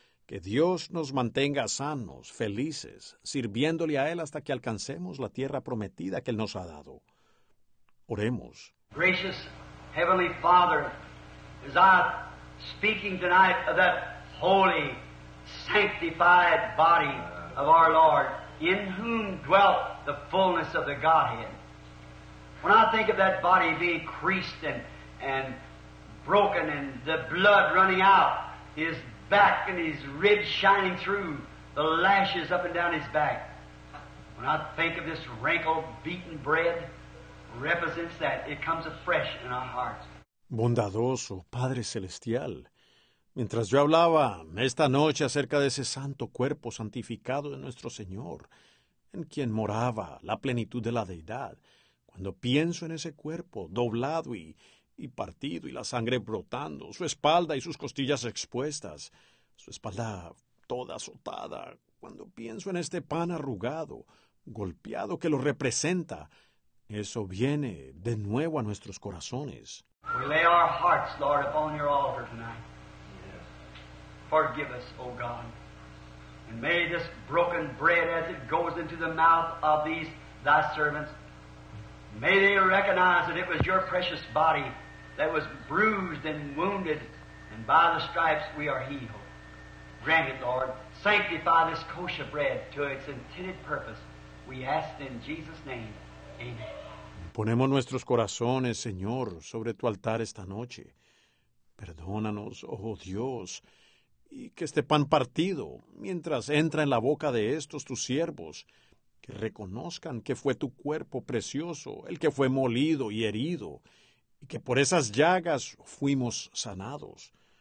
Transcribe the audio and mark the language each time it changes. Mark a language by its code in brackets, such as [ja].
[es] Que Dios nos mantenga sanos, felices, sirviéndole a Él hasta que alcancemos la tierra prometida que Él nos ha dado. Oremos. [en] Gracious Heavenly Father, as I speaking tonight of that holy, sanctified body of our Lord, in whom dwelt the fullness of the Godhead. When I think of that body being creased and broken and the blood running out, his back and his ribs shining through, the lashes up and down his back. When I think of this wrinkled, beaten bread, represents that. It comes afresh in our hearts. [es] Bondadoso Padre Celestial, mientras yo hablaba esta noche acerca de ese santo cuerpo santificado de nuestro Señor, en quien moraba la plenitud de la Deidad, cuando pienso en ese cuerpo doblado y partido y la sangre brotando, su espalda y sus costillas expuestas, su espalda toda azotada, cuando pienso en este pan arrugado, golpeado que lo representa, eso viene de nuevo a nuestros corazones. [en] We lay our hearts, Lord, upon your altar tonight. Yes. Forgive us, O God. And may this broken bread as it goes into the mouth of these thy servants, may they recognize that it was your precious body that was bruised and wounded, and by the stripes we are healed. Grant it, Lord. Sanctify this kosher bread to its intended purpose. We ask in Jesus' name. Amen. [es] Ponemos nuestros corazones, Señor, sobre tu altar esta noche. Perdónanos, oh Dios, y que este pan partido, mientras entra en la boca de estos tus siervos, que reconozcan que fue tu cuerpo precioso el que fue molido y herido, y que por esas llagas fuimos sanados.